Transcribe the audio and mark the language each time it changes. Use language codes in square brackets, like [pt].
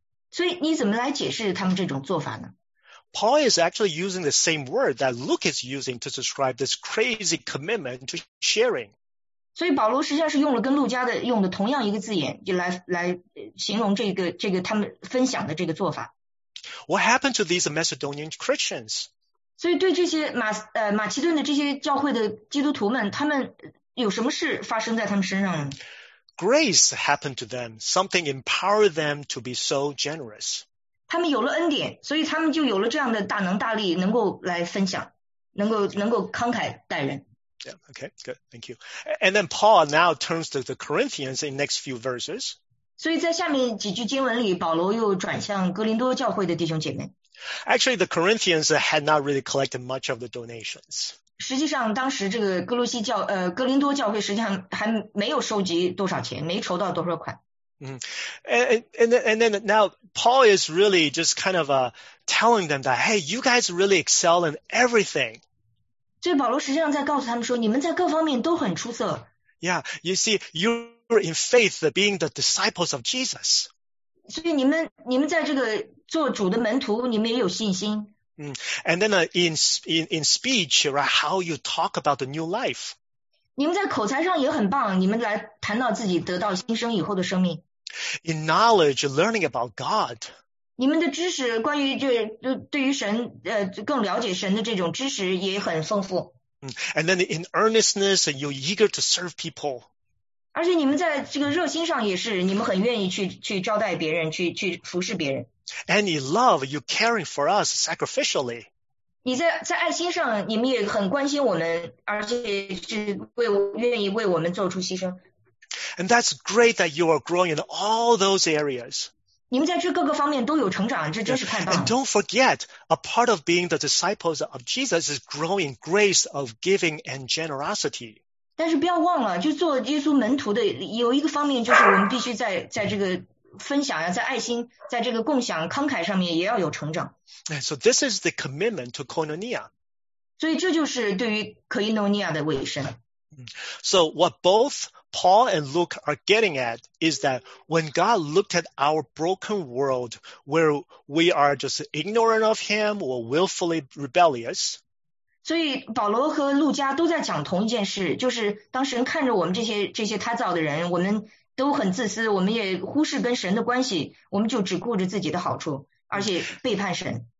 [zh] 所以你怎么来解释他们这种做法呢？ [en] Paul is actually using the same word that Luke is using to describe this crazy commitment to sharing. [zh] 所以保罗实际上是用了跟路加的用的同样一个字眼，就来形容这个他们分享的这个做法。 [en] What happened to these Macedonian Christians? [zh] 所以对这些马其顿的这些教会的基督徒们，他们有什么事发生在他们身上呢？ [en] Grace happened to them, something empowered them to be so generous. [zh] 他们有了恩典，所以他们就有了这样的大能大力，能够来分享，能够慷慨待人。 [en] Yeah, okay, good, thank you. And then Paul now turns to the Corinthians in the next few verses. [zh] 所以在下面几句经文里，保罗又转向哥林多教会的弟兄姐妹。 [en] Actually, the Corinthians had not really collected much of the donations. [zh] 实际上当时这个哥林多教会实际上还没有收集多少钱，没筹到多少款。 [en] And then now Paul is really just kind of telling them that, hey, you guys really excel in everything. [zh] 所以保罗实际上在告诉他们说，你们在各方面都很出色。 [en] Yeah, you see, you're in faith, being the disciples of Jesus. [zh] 所以你们在这个做主的门徒，你们也有信心。 [en] And then in speech, right, how you talk about the new life. [zh] 你们在口才上也很棒，你们来谈到自己得到新生以后的生命。 [en] In knowledge, learning about God. [zh] 你们的知识关于对于神更了解神的这种知识也很丰富。 [en] And then in earnestness, you're eager to serve people. [zh] 而且你们在这个热心上也是，你们很愿意去招待别人，去服侍别人。 [en] And in love, you're caring for us sacrificially. [zh] 你在爱心上，你们也很关心我们，而且是愿意为我们做出牺牲。 [en] And that's great that you are growing in all those areas. [zh] 你们在这各个方面都有成长，这真是太棒了。 [en] And don't forget, a part of being the disciples of Jesus is growing grace of giving and generosity. [zh] 但是不要忘了，就做耶稣门徒的有一个方面，就是我们必须在这个分享呀，在爱心，在这个共享慷慨上面也要有成长。 [en] And so this is the commitment to koinonia. [zh] 所以这就是对于koinonia的委身。 [en] So what both Paul and Luke are getting at is that when God looked at our broken world where we are just ignorant of him or willfully rebellious. [zh] 所以保罗和路加都在讲同一件事，就是当神看着我们这些他造的人，我们都很自私，我们也忽视跟神的关系，我们就只顾着自己的好处，而且背叛神。